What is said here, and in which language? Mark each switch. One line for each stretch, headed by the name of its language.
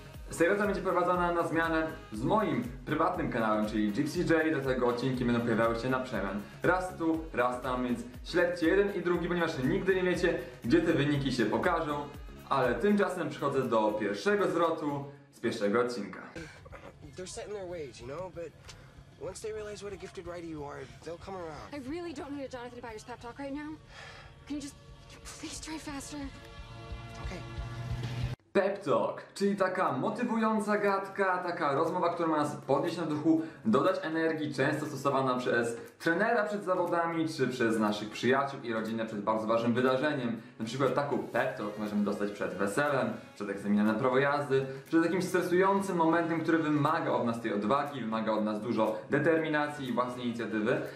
Polish: Seria ta będzie prowadzona na zmianę z moim prywatnym kanałem, czyli GCJ, dlatego odcinki będą pojawiały się na przemian. Raz tu, raz tam, więc śledźcie jeden i drugi, ponieważ nigdy nie wiecie, gdzie te wyniki się pokażą. Ale tymczasem przychodzę do pierwszego zwrotu z pierwszego odcinka.
English: They're setting their ways, you know, but once they realize what a gifted writer you are, they'll come around. I really don't need a Jonathan Byers pep talk right now. Can you just please try faster? Okay.
Polish: Pep talk, czyli taka motywująca gadka, taka rozmowa, która ma nas podnieść na duchu, dodać energii, często stosowana przez trenera przed zawodami, czy przez naszych przyjaciół i rodzinę przed bardzo ważnym wydarzeniem. Na przykład taką pep talk możemy dostać przed weselem, przed egzaminem na prawo jazdy, przed jakimś stresującym momentem, który wymaga od nas tej odwagi, wymaga od nas dużo determinacji i własnej inicjatywy.